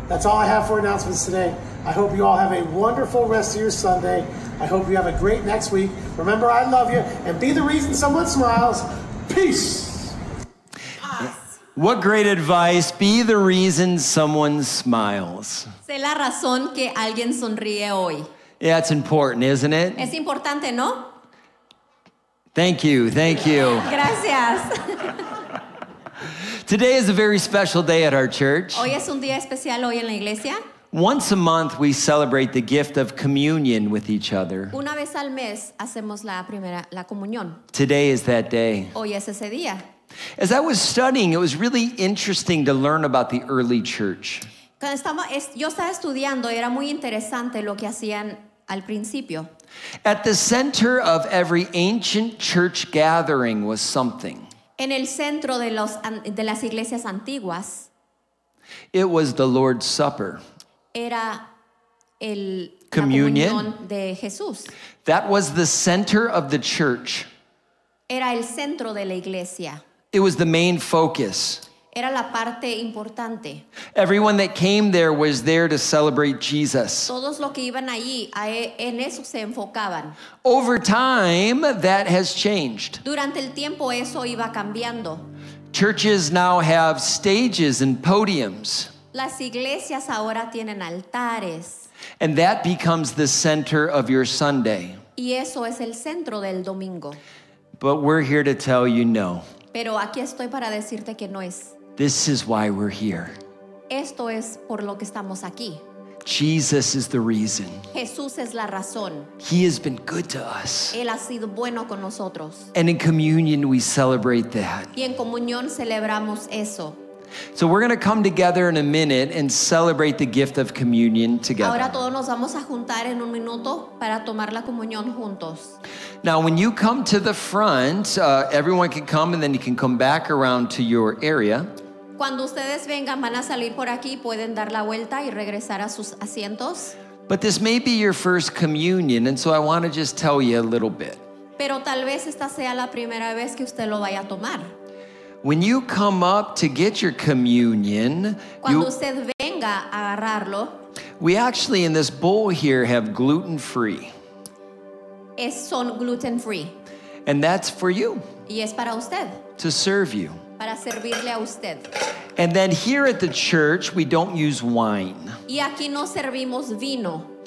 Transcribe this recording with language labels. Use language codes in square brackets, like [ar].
[en] That's all I have for announcements today. I hope you all have a wonderful rest of your Sunday. I hope you have a great next week. Remember, I love you, and be the reason someone smiles. Peace. What great advice. Be the reason someone smiles. [es] Sé la razón que alguien sonríe hoy. [en] Yeah, it's important, isn't it? [es] Es importante, ¿no? [en] Thank you. Thank you. [es] Gracias. [en] Today is a very special day at our church. [es] Hoy es un día especial hoy en la iglesia. [en] Once a month, we celebrate the gift of communion with each other. [es] Una vez al mes, hacemos la comunión. [en] Today is that day. [es] Hoy es ese día. [en] As I was studying, it was really interesting to learn about the early church. [es] Yo estaba estudiando, era muy interesante lo que hacían al principio. [en] At the center of every ancient church gathering was something. [es] En el centro de las iglesias antiguas. [en] It was the Lord's Supper. [es] Era la comunión de Jesús. [en] That was the center of the church. [es] Era el centro de la iglesia. [en] It was the main focus. [es] Era la parte importante. [en] Everyone that came there was there to celebrate Jesus. [es] Todos los que iban allí, en eso se enfocaban. [en] Over time, that has changed. [es] Durante el tiempo, eso iba cambiando. [en] Churches now have stages and podiums. [es] Las iglesias ahora tienen altares. [en] And that becomes the center of your Sunday. [es] Y eso es el centro del domingo. [en] But we're here to tell you no. [es] Pero aquí estoy para decirte que no es. [en] This is why we're here. [es] Esto es por lo que estamos aquí. [en] Jesus is the reason. [es] Jesús es la razón. [en] He has been good to us. [es] Él ha sido bueno con nosotros. [en] And in communion we celebrate that. [es] Y en comunión celebramos eso. [en] So we're going to come together in a minute and celebrate the gift of communion together. [es] Ahora todos nos vamos a juntar en un minuto para tomar la comunión juntos. [en] Now when you come to the front, everyone can come and then you can come back around to your area. [es] Cuando ustedes vengan, van a salir por aquí, pueden dar la vuelta y regresar a sus asientos. [en] But this may be your first communion, and so I want to just tell you a little bit. [es] Pero tal vez esta sea la primera vez que usted lo vaya a tomar. [en] When you come up to get your communion, [es] cuando usted venga a agarrarlo, [en] we actually in this bowl here have gluten-free. [es] Es son gluten-free. [en] And that's for you. [es] Y es para usted. [en] To serve you. [es] Para servirle a usted. [en] And then here at the church, we don't use wine. [es] Y aquí no servimos vino.